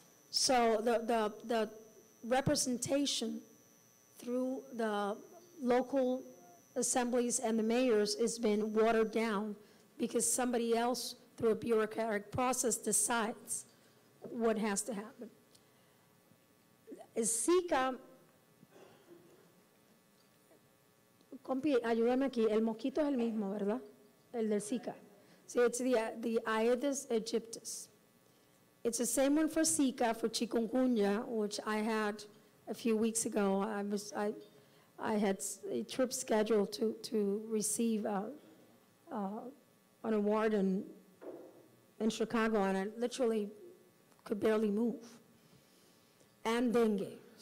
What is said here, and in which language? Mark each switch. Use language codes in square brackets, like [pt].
[en] So the representation through the local assemblies and the mayors has been watered down because somebody else through a bureaucratic process decides what has to happen. [es] Zika, compi, ayúdame aquí, el mosquito es el mismo, ¿verdad? El del Zika. [en] See, it's the Aedes aegyptus. It's the same one for Zika, for chikungunya, which I had a few weeks ago. I had a trip scheduled to receive an award in Chicago, and I literally could barely move. And dengue.